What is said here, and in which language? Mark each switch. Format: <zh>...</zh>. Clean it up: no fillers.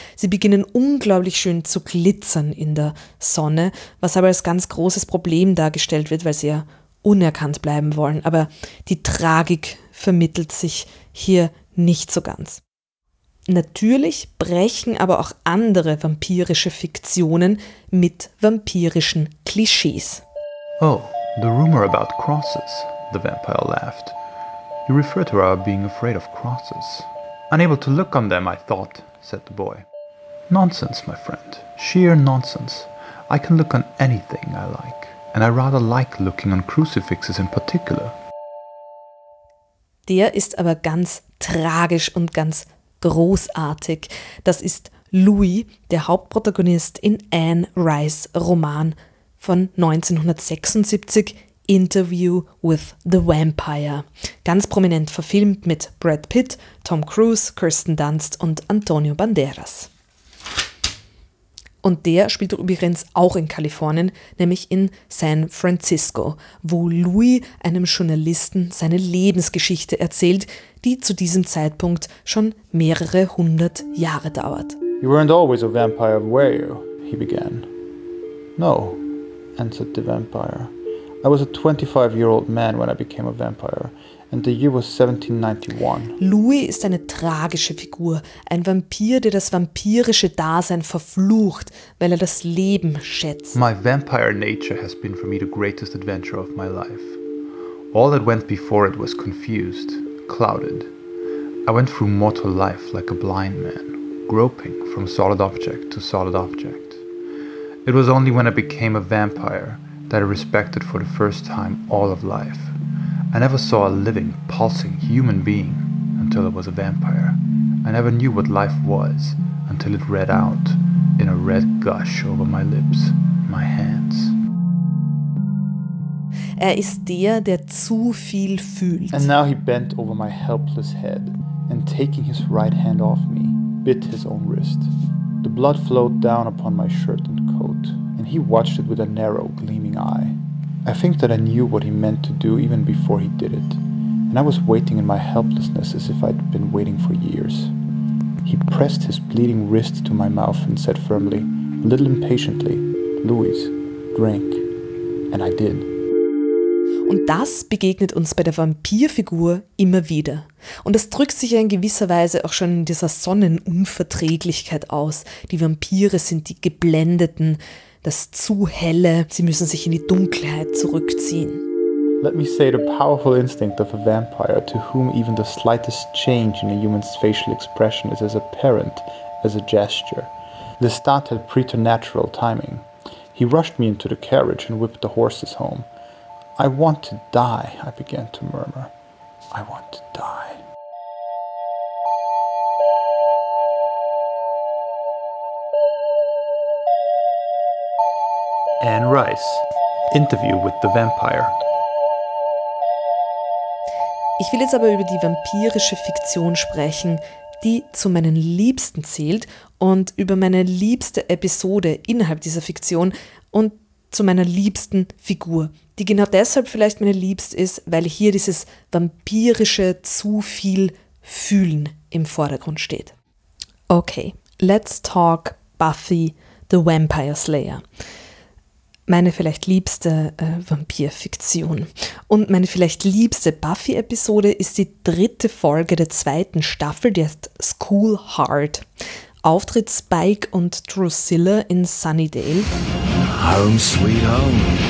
<de>Sie beginnen unglaublich schön zu glitzern in der Sonne, was aber als ganz großes Problem dargestellt wird, weil sie ja unerkannt bleiben wollen. Aber die Tragik vermittelt sich hier nicht so ganz. Natürlich brechen aber auch andere vampirische Fiktionen mit vampirischen Klischees.</de> <en>Oh, the rumor about crosses, the vampire laughed. You refer to our being afraid of crosses. Unable to look on them, I thought, said the boy. Nonsense, my friend, sheer nonsense. I can look on anything I like, and I rather like looking on crucifixes in particular.</en> <de>Der ist aber ganz tragisch und ganz großartig. Das ist Louis, der Hauptprotagonist in Anne Rice Roman von 1976, Interview with the Vampire. Ganz prominent verfilmt mit Brad Pitt, Tom Cruise, Kirsten Dunst und Antonio Banderas. Und der spielt übrigens auch in Kalifornien, nämlich in San Francisco, wo Louis einem Journalisten seine Lebensgeschichte erzählt, die zu diesem Zeitpunkt schon mehrere hundert Jahre dauert.</de> <en>You weren't always a vampire, were you? He began. No, answered the vampire. I was a 25-year-old man when I became a vampire. And the year was 1791.</en> <de>Louis ist eine tragische Figur, ein Vampir, der das vampirische Dasein verflucht, weil er das Leben schätzt.</de> <en>My vampire nature has been for me the greatest adventure of my life. All that went before it was confused, clouded. I went through mortal life like a blind man, groping from solid object to solid object. It was only when I became a vampire that I respected for the first time all of life. I never saw a living, pulsing human being until it was a vampire. I never knew what life was until it read out in a red gush over my lips, my hands.</en> <de>Er ist der, der zu viel fühlt.</de> <en>And now he bent over my helpless head and taking his right hand off me, bit his own wrist. The blood flowed down upon my shirt and coat and he watched it with a narrow, gleaming eye. I think that I knew what he meant to do even before he did it. and I was waiting in my helplessness as if I'd been waiting for years. He pressed his bleeding wrist to my mouth and said firmly, a little impatiently, Louise, drink. And I did.</en> <de>Und das begegnet uns bei der Vampirfigur immer wieder. Und das drückt sich ja in gewisser Weise auch schon in dieser Sonnenunverträglichkeit aus. Die Vampire sind die Geblendeten, das zu helle, sie müssen sich in die Dunkelheit zurückziehen.</de> <en>Let me say the powerful instinct of a vampire to whom even the slightest change in a human's facial expression is as apparent as a gesture. Lestat had preternatural timing. He rushed me into the carriage and whipped the horses home. I want to die, I began to murmur. I want to die. Anne Rice, Interview with the Vampire.</en> <de>Ich will jetzt aber über die vampirische Fiktion sprechen, die zu meinen Liebsten zählt, und über meine liebste Episode innerhalb dieser Fiktion und zu meiner liebsten Figur, die genau deshalb vielleicht meine liebste ist, weil hier dieses vampirische zu viel Fühlen im Vordergrund steht.</de> <en>Okay, let's talk Buffy the Vampire Slayer.</en> <de>Meine vielleicht liebste Vampirfiktion. Und meine vielleicht liebste Buffy-Episode ist die dritte Folge der zweiten Staffel, die heißt School Hard. Auftritt Spike und Drusilla in Sunnydale.</de> <en>Home sweet home.</en>